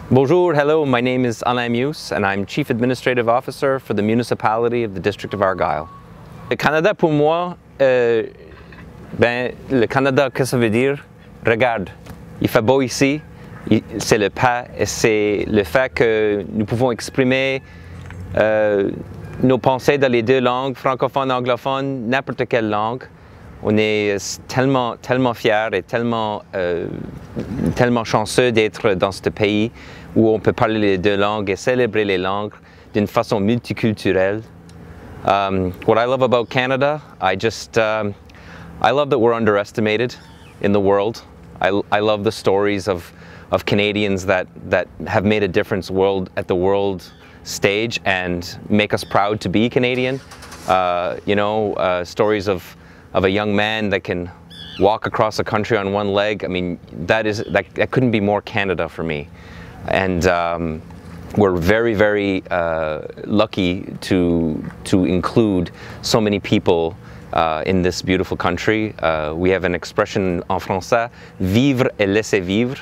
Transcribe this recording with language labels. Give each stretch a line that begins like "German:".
English: Bonjour, hello, my name is Alain Muise and I'm Chief Administrative Officer for the Municipality of the District of Argyle.
French: Le Canada pour moi, le Canada, qu'est-ce que ça veut dire? Regarde, il fait beau ici, c'est le pas et c'est le fait que nous pouvons exprimer nos pensées dans les deux langues, francophone, anglophone, n'importe quelle langue. On est tellement, tellement fiers et tellement, tellement chanceux d'être dans ce pays où on peut parler les deux langues et célébrer les langues d'une façon multiculturelle.
English: What I love about Canada, I love that we're underestimated in the world. I love the stories of Canadians that have made a difference at the world stage and make us proud to be Canadian. Stories of a young man that can walk across a country on one leg. I mean, that couldn't be more Canada for me. And we're very, very lucky to include so many people in this beautiful country. We have an expression en français,
French: vivre et laisser vivre.